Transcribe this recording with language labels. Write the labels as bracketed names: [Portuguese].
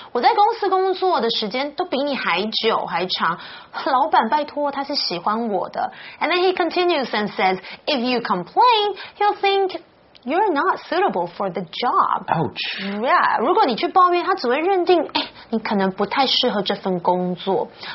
[Chinese] 我在公司工作的时间都比你还久还长。老板拜托他是喜欢我的。 [English] And then he continues and says, if you complain, he'll think... You're not suitable for the job. Ouch. [Chinese] Yeah, 如果你去抱怨，他只会认定，哎，你可能不太适合这份工作。